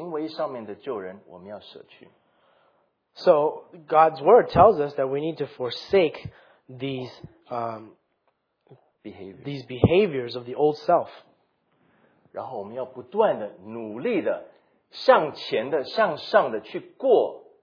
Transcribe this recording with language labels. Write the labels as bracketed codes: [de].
[zh] 所以神的话要提醒我们，要不断的把我们的旧人，你看是行为上的旧人，对不对？不是本质上面的旧人，我们要将行为上面的旧人，我们要舍去。 [en] So God's word tells us that we need to forsake these behaviors of the old self. [zh] 然后我们要不断的努力的向前的向上的去过。